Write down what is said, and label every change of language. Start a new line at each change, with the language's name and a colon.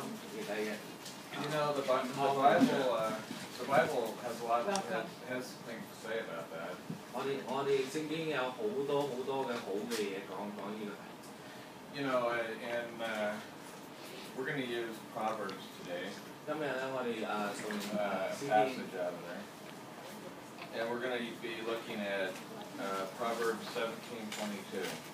English: You know the Bible has a lot has things to say about that.
Cantonese: 我哋圣经有好多好多嘅好嘅嘢讲呢个题目。
English: You know, and we're going to use Proverbs today.
Cantonese: 今日咧，我哋从圣经。
English: And we're going to be looking at Proverbs 17:22.